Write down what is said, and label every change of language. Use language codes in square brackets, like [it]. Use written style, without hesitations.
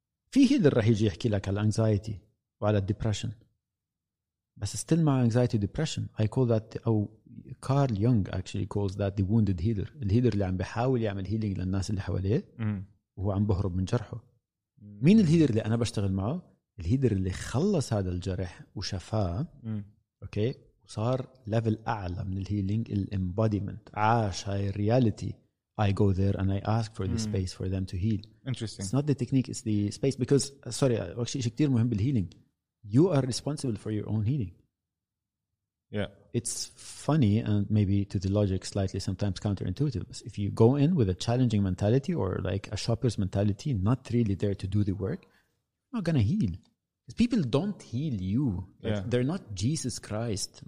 [ar] في هيلر رح يجي يحكي لك على anxiety وعلى depression, بس still مع anxiety depression, I call that, أو كارل يونغ [en] actually calls that the wounded healer, [ar] الهيلر اللي عم بحاول يعمل healing للناس اللي حواليه وهو عم بهرب من جرحه. مين الهيلر اللي أنا بشتغل معه؟ الهيلر اللي خلص هذا الجرح وشفاه, أوكي, صار ليفل أعلى من الهيلينج, الإمباديمنت, عاش هاي الرياليتي. [en] I go there and I ask for the space for them to heal. Interesting. It's not the technique, it's the space. Because sorry, actually, [ar] إشي كتير مهم بالهيلينج. [en] You are responsible for your own healing. Yeah. It's funny and maybe to the logic slightly sometimes counterintuitive. If you go in with a challenging mentality or like a shopper's mentality, not really there to do the work, you're not gonna heal. People don't heal you. Like, yeah. They're not Jesus Christ.